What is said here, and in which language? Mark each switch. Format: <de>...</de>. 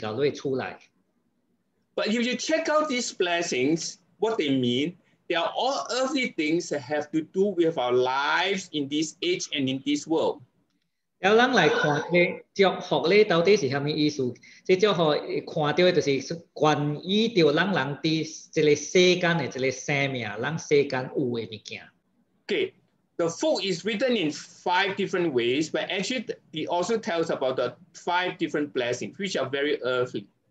<nan>通常基督徒咱都是讲这个五福临到你门头前，就是意思就是讲这个福气咧临到你厝内。But</nan> <en>if you check out these blessings, what they mean, they are all earthly things that have to do with our lives in this age and in this world.</en> <nan>要咱来看这祝福咧，到底是虾米意思？这祝福看到的就是关于着咱人伫这个世间的这个生命，咱世间有诶物件。</nan> <en>Okay. The food is written in five different ways, but actually it also tells about the five different blessings, which are very earthly.</en>